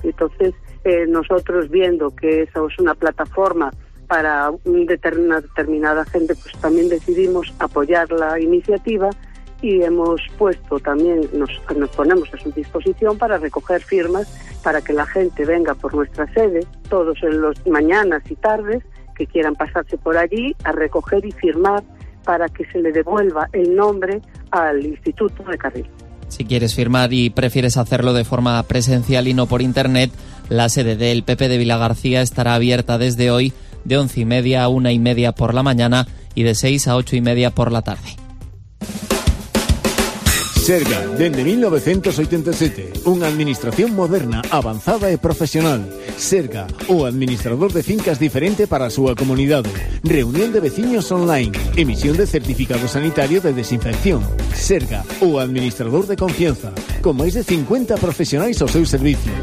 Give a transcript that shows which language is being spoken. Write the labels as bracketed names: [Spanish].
[Spanish] Entonces, nosotros viendo que esa es una plataforma para una determinada gente, pues también decidimos apoyar la iniciativa y hemos puesto también, nos ponemos a su disposición para recoger firmas para que la gente venga por nuestra sede todos en las mañanas y tardes que quieran pasarse por allí a recoger y firmar para que se le devuelva el nombre al Instituto de Carril. Si quieres firmar y prefieres hacerlo de forma presencial y no por internet, la sede del PP de Vilagarcía estará abierta desde hoy de 11:30 a 1:30 por la mañana y de 6 a 8:30 por la tarde. [Galician] SERGA, dende 1987, unha administración moderna, avanzada e profesional. SERGA, o administrador de fincas diferente para a súa comunidade. Reunión de veciños online, emisión de certificado sanitario de desinfección. SERGA, o administrador de confianza, con máis de 50 profesionais ao seu servicio.